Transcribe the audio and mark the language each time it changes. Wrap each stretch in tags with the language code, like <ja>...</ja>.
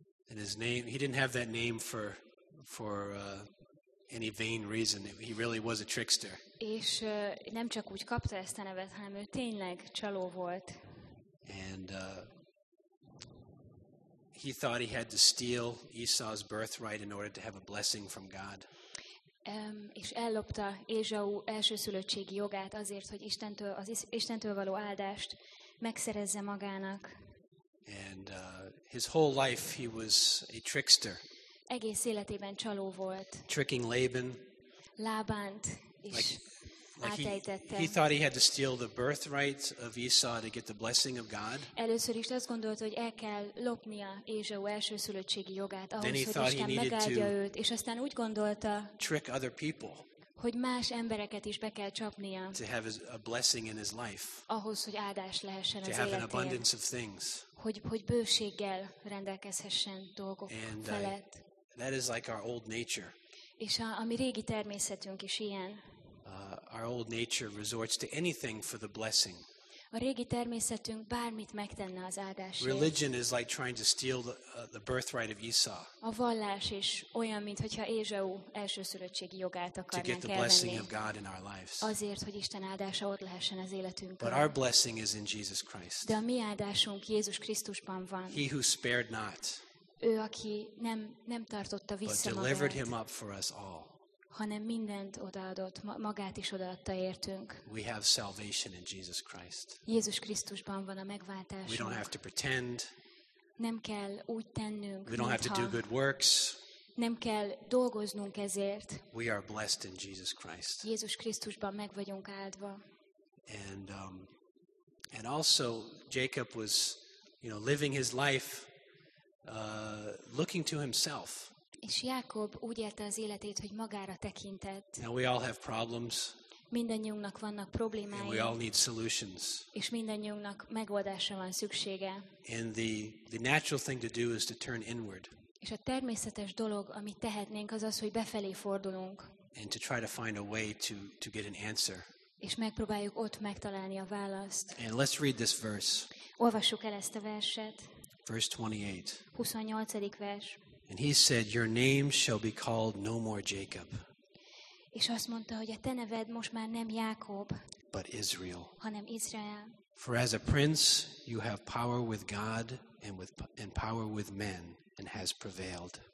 <en>And his name, he didn't have that name for any vain reason. He really was a trickster.</en> <hu>És nem csak úgy kapta ezt a nevet, hanem ő tényleg csaló volt.</hu> <en>And he thought he had to steal Esau's birthright in order to have a blessing from God.</en> <hu>És ellopta Ézsau elsőszülöttségi jogát azért, hogy Istentől való áldást megszerezze magának.</hu> <en>And his whole life he was a trickster.</en> <hu>Egész életében csaló volt.</hu> <en>Tricking Laban.</en> <hu>Lábánt is átejtette.</hu> <en>He thought he had to steal the birthright of Esau to get the blessing of God.</en> <hu>Először is azt gondolta, hogy el kell lopnia Ézsau elsőszülöttségi jogát, ahhoz, hogy Isten megáldja őt, és aztán úgy gondolta,</hu> <en>trick other people,</en> <hu>hogy más embereket is be kell csapnia,</hu> <en>to have a blessing in his life,</en> <hu>ahhoz, hogy áldás lehessen az életén,</hu> <en>an abundance of things,</en> <hu>hogy bőséggel rendelkezhessen dolgok felett.</hu> <en>That is like our old nature.</en> <hu>És ami régi természetünk is ilyen.</hu> <en>Our old nature resorts to anything for the blessing.</en> <hu>A régi természetünk bármit megtenne az áldásért.</hu> <en>Religion is like trying to steal the birthright of Esau.</en> <hu>A vallás is olyan, mintha Ézsau elsőszülöttségi jogát akarnánk elvenni.</hu> <en>To get the blessing of God in our lives.</en> <hu>Azért, hogy Isten áldása ott lehessen az életünkben.</hu> <en>But our blessing is in Jesus Christ.</en> <hu>De a mi áldásunk Jézus Krisztusban van.</hu> <en>He who spared not.</en> <hu>Ő, aki nem tartotta vissza magát.</hu> <en>But delivered him up for us all.</en> <hu>Hanem mindent odaadott, magát is odaadta értünk.</hu> <en>We have salvation in Jesus Christ.</en> <hu>Jézus Krisztusban van a megváltásunk.</hu> <en>We don't have to pretend.</en> <hu>Nem kell úgy tennünk,</hu> <en>we don't have to do good works.</en> <hu>Nem kell dolgoznunk ezért.</hu> <en>We are blessed in Jesus Christ.</en> <hu>Jézus Krisztusban meg vagyunk áldva.</hu> <en>And also Jacob was, you know, living his life looking to himself.</en> <hu>És Jákob úgy élte az életét, hogy magára tekintett.</hu> <en>Now we all have problems.</en> <hu>Mindannyiunknak vannak problémái.</hu> <en>And we all need solutions.</en> <hu>És mindannyiunknak megoldásra van szüksége.</hu> <en>And the natural thing to do is to turn inward.</en> <hu>És a természetes dolog, amit tehetnénk, az, hogy befelé fordulunk.</hu> <en>And to try to find a way to get an answer.</en> <hu>És megpróbáljuk ott megtalálni a választ.</hu> <en>And let's read this verse.</en> <hu>Olvassuk el ezt a verset.</hu> <en>Verse 28.</en> <hu>28. vers.</hu> <en>And he said, "Your name shall be called no more Jacob."</en> <hu>És azt mondta, hogy a te neved most már nem Jákob,</hu> <en>but Israel.</en> <hu>Hanem Izrael.</hu> <en>For as a prince, you have power with God and power with men, and has prevailed.</en>